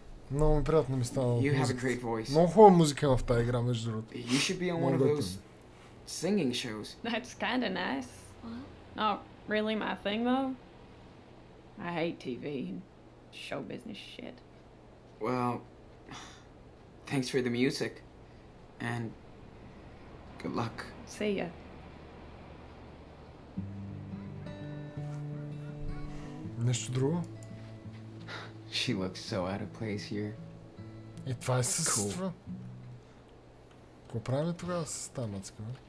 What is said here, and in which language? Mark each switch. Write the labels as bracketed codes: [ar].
[bg] Много ми приятно ми стана. [en] You have a great voice. [bg] Много хубава музика в тази игра, между другото. [en] You should be on one of those... singing shows. That's kind of nice. Not really my thing though. I hate TV and show business shit. Well, thanks for the music and good luck. See ya. [bg] Нещо друго? [en] She looks so out of place here. It was cool. [bg] Какво правим тогава с тази мацка?